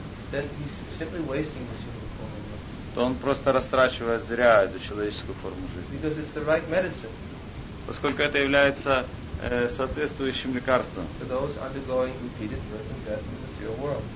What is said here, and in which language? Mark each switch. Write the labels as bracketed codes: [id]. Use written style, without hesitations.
[en] Then he's simply wasting this human form of life. [ru] То он просто растрачивает зря эту человеческую форму жизни. [en] Because it's the right medicine. [ru] Поскольку это является соответствующим лекарством. [en] For those undergoing repeated birth and death in the material world.